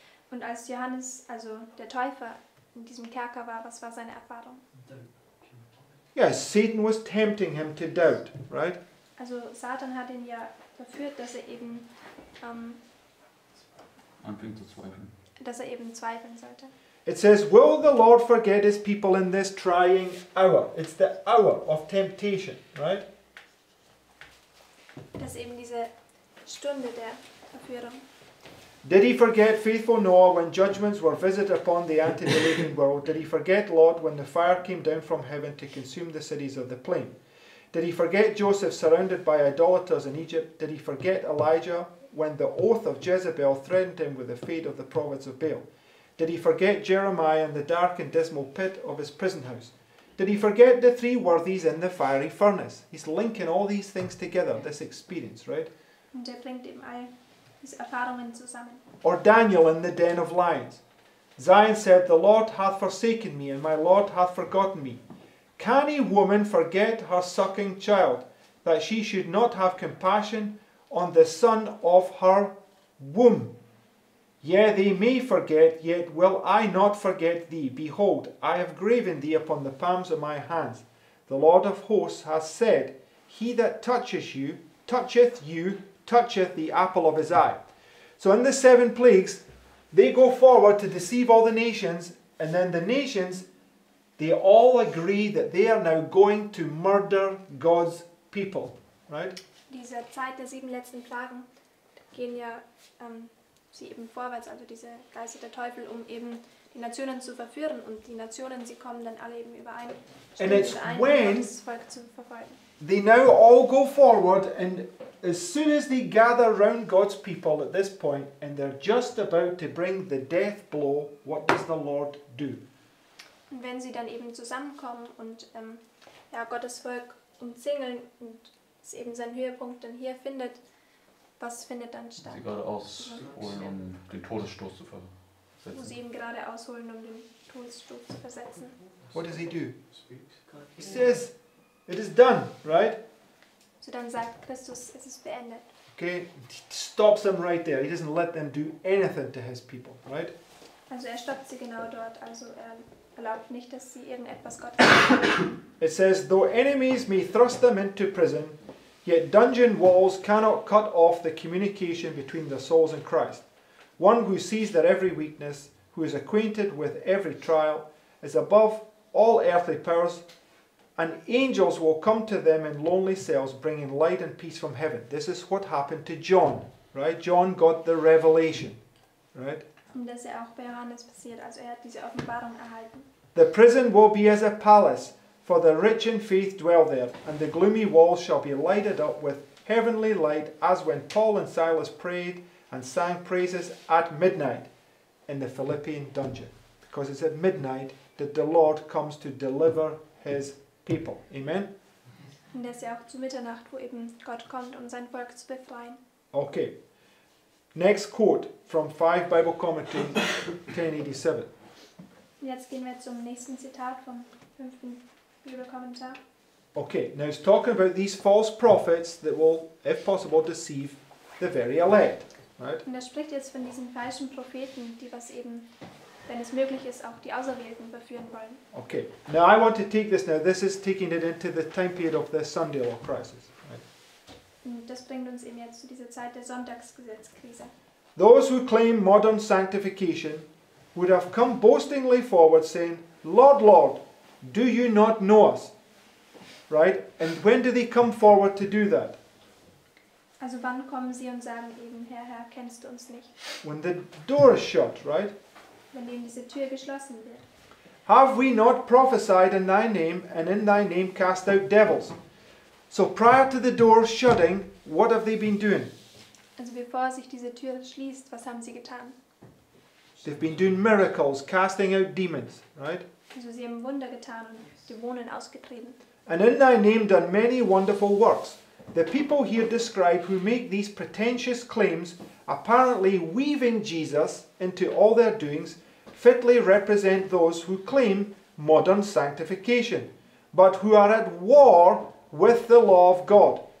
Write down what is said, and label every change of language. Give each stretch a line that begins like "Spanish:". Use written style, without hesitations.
German: Und als Johannes, also der Täufer, in diesem Kerker war, was war seine Erfahrung?
English: Yes, Satan was tempting him to doubt, right?
German: Also Satan hat ihn ja verführt, dass er eben... anfängt zu zweifeln. Dass er eben zweifeln sollte.
English: It says, will the Lord forget his people in this trying hour? It's the hour of temptation, right?
German: Das ist eben diese Stunde der Verführung.
English: Did he forget faithful Noah when judgments were visited upon the antediluvian world? Did he forget Lot when the fire came down from heaven to consume the cities of the plain? Did he forget Joseph surrounded by idolaters in Egypt? Did he forget Elijah when the oath of Jezebel threatened him with the fate of the prophets of Baal? Did he forget Jeremiah in the dark and dismal pit of his prison house? Did he forget the three worthies in the fiery furnace? He's linking all these things together, this experience, right?
German: Und er bringt eben all diese Erfahrungen zusammen.
English: Or Daniel in the den of lions. Zion said, the Lord hath forsaken me and my Lord hath forgotten me. Can a woman forget her sucking child, that she should not have compassion on the son of her womb? Yea, they may forget, yet will I not forget thee. Behold, I have graven thee upon the palms of my hands. The Lord of hosts has said, he that toucheth you, toucheth the apple of his eye. So in the seven plagues, they go forward to deceive all the nations, and then the nations, they all agree that they are now going to murder God's people. Right?
German: Diese Zeit der sieben letzten Plagen gehen ja... sie eben vorwärts, also diese Geister der Teufel, um eben die Nationen zu verführen. Und die Nationen, sie kommen dann alle eben überein,
English: and it's when
German: das Volk zu verfolgen.
English: They now all go forward, and as soon as they gather round God's people at this point, and they're just about to bring the death blow, what does the Lord do?
German: Und wenn sie dann eben zusammenkommen und ja, Gottes Volk umzingeln und es eben seinen Höhepunkt dann hier findet, was findet dann statt? Sie gerade ausholen, um den Todesstoß zu versetzen. Muss sie eben gerade ausholen, um den Todesstoß zu versetzen.
English: What does he do? He says, it is done, right?
German: So dann sagt Christus, es ist beendet.
English: Okay, he stops them right there. He doesn't let them do anything to his people, right?
German: Also er stoppt sie genau dort. Also er erlaubt nicht, dass sie irgendetwas Gott.
English: It says, though enemies may thrust them into prison, yet dungeon walls cannot cut off the communication between their souls and Christ. One who sees their every weakness, who is acquainted with every trial, is above all earthly powers, and angels will come to them in lonely cells, bringing light and peace from heaven. This is what happened to John, right? John got the revelation, right?
German: Und das ist auch bei Johannes passiert, also er hat diese Offenbarung erhalten.
English: The prison will be as a palace, for the rich in faith dwell there, and the gloomy walls shall be lighted up with heavenly light, as when Paul and Silas prayed and sang praises at midnight in the Philippian dungeon. Because it's at midnight that the Lord comes to deliver his people. Amen?
German: Und das ist ja auch zu Mitternacht, wo eben Gott kommt, um sein Volk zu befreien.
English: Okay. Next quote from 5 Bible Commentary 1087.
German: Jetzt gehen wir zum nächsten Zitat vom 5.
English: Okay, now it's talking about these false prophets that will, if possible, deceive the very elect, right?
German: Und er spricht jetzt von diesen falschen Propheten, die was eben, wenn es möglich ist, auch die Auserwählten verführen wollen.
English: Okay, now I want to take this now. This is taking it into the time period of the Sunday law crisis, right?
German: Und das bringt uns eben jetzt zu dieser Zeit der Sonntagsgesetzkrise.
English: Those who claim modern sanctification would have come boastingly forward saying, Lord, Lord, do you not know us? Right? And when do they come forward to do that?
German: Also wann kommen sie und sagen eben, Herr, Herr, kennst du uns nicht?
English: When the door is shut, right?
German: Wenn eben diese Tür geschlossen wird.
English: Have we not prophesied in thy name and in thy name cast out devils? So prior to the door shutting, what have they been doing?
German: Also bevor sich diese Tür schließt, was haben sie getan?
English: They've been doing miracles, casting out demons, right?
German: Also sie haben Wunder getan und Dämonen ausgetrieben.
English: And in thy name done many wonderful works. The people here described who make these pretentious claims, apparently weaving Jesus into all their doings, fitly represent those who claim modern sanctification, but who are at war with the law of God.